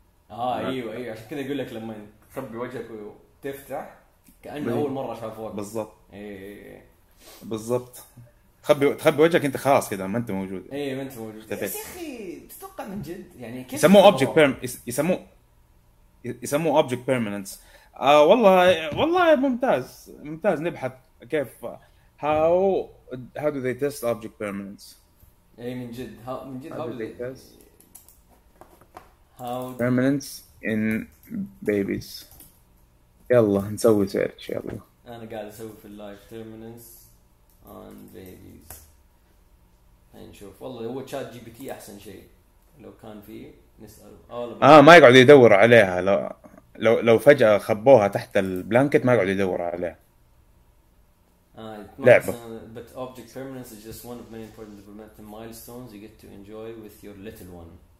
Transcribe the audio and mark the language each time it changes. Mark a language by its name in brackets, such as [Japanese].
[Arabic] ايوه عشان كذا يقول لك لما تخبي وجهك وتفتح كأنه اول مرة شافوك بالضبط ايه بالضبط. تخبي وجهك انت خلاص كده ما انت موجود ايه ما انت موجود اختفيت. يا اخي تتوقع من جد يعني كيف يسموه تتصور؟ اوبجكت يسموه اوبجكت بيرمننس. والله ممتاز ممتاز. نبحث كيف [English] how do they test object permanence. [Arabic] اي من جد من جد [English] how do they test how permanence in babies. [Arabic] يلا نسوي سيرش. يلا انا قاعد اسوي في اللايف [English] permanence on babies [Arabic] هنشوف. والله هو تشات جي بي تي احسن شيء لو كان فيه نسأله ما يقعد يدور عليها. لو فجأة خبوها تحت البلانكت ما يقعد يدور عليها. لعبة. [English] But object permanence is just one of many important developmental milestones you get to enjoy with your little one.